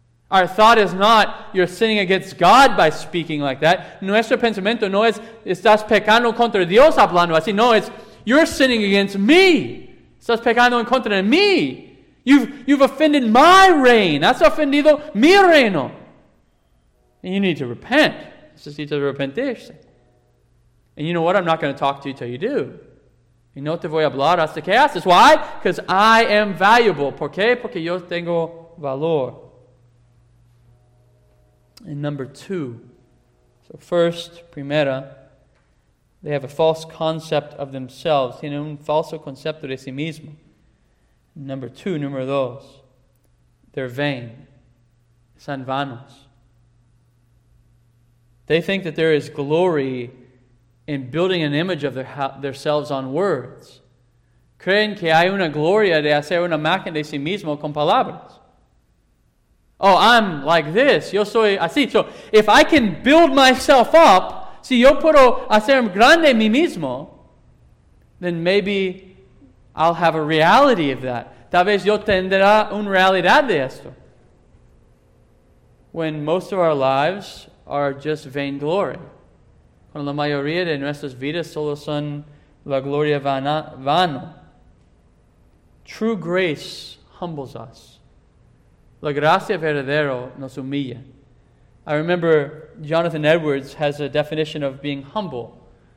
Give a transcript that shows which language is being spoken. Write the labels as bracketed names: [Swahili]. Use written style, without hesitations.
[English] Our thought is not, you're sinning against God by speaking like that. [Spanish] Nuestro pensamiento no es, estás pecando contra Dios hablando así. [English] No, it's, you're sinning against me. [Spanish] Estás pecando en contra de mí. [English] You've offended my reign. [Spanish] Has ofendido mi reino. [English] And you need to repent. [Spanish] Necesitas arrepentirse. [English] And you know what? I'm not going to talk to you till you do. [Spanish] Y no te voy a hablar hasta que haces. [English] Why? Because I am valuable. [Spanish] ¿Por qué? Porque yo tengo valor. [English] And number two, so first, [Spanish] primera, [English] they have a false concept of themselves. [Spanish] Tienen un falso concepto de sí mismo. [English] Number two, [Spanish] número dos, [English] they're vain. [Spanish] Son vanos. [English] They think that there is glory in building an image of themselves on words. [Spanish] Creen que hay una gloria de hacer una imagen de sí mismo con palabras. [English] Oh, I'm like this. [Spanish] Yo soy así. [English] So if I can build myself up, [Spanish] si yo puedo hacer grande mi mismo, [English] then maybe I'll have a reality of that. [Spanish] Tal vez yo tendrá una realidad de esto. [English] When most of our lives are just vainglory. [Spanish] Cuando la mayoría de nuestras vidas solo son la gloria vana. [English] True grace humbles us. [Spanish] La gracia verdadero nos humilla. [English] I remember Jonathan Edwards has a definition of being humble.